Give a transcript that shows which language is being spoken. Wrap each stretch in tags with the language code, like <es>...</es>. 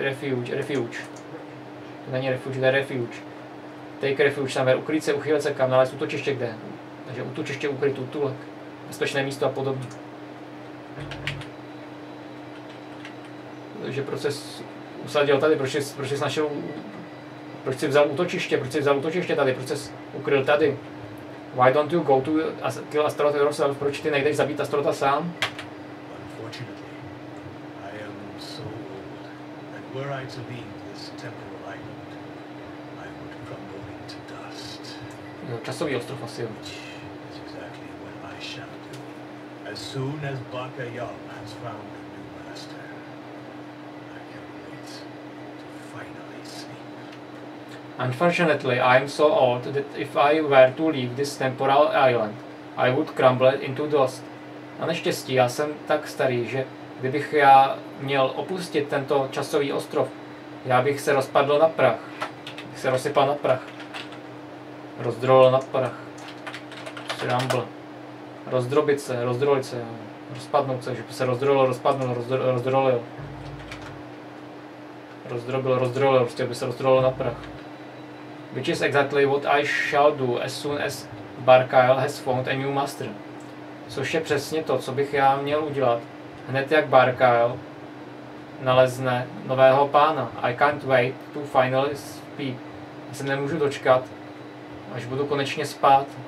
<cs>Refuge. Není refuge, to je refuge.</cs> <en>Take refuge somewhere,</en> <cs>ukryt se, uchylit se kam, nalézt útočiště kde? Takže útočiště ukryt, útulek, bezpečné místo a podobně. Takže proč jsi usadil tady, proč jsi vzal útočiště tady, proč jsi ukryl tady?</cs> <en>Why don't you go to kill Astaroth yourself?</en> <cs>Proč ty nejdeš zabít Astarotha sám?</cs> <en>Unfortunately, I am so old that were I to leave this temporal island, I would crumble into dust.</en> <cs>Časový ostrov asi jo.</cs> <en>Which is exactly what I shall do. As soon as Baka Yam has found a new master, I can wait to finally sleep. Unfortunately, I am so old that if I were to leave this temporal island, I would crumble into dust.</en> <cs>A neštěstí, já jsem tak starý, že kdybych já měl opustit tento časový ostrov, já bych se rozpadl na prach. Bych se rozsypal na prach. Rozdrolil na prach. Crumble. Rozdrobit se. Rozpadnout se, že by se rozdrolil. Rozdrolil na prach.</cs> <en>Which is exactly what I shall do as soon as Barkyle has found a new master.</en> <cs>Což je přesně to, co bych já měl udělat. Hned jak Barkyle nalezne nového pána.</cs> <en>I can't wait to finally sleep.</en> <cs>Já se nemůžu dočkat, až budu konečně spát.</cs>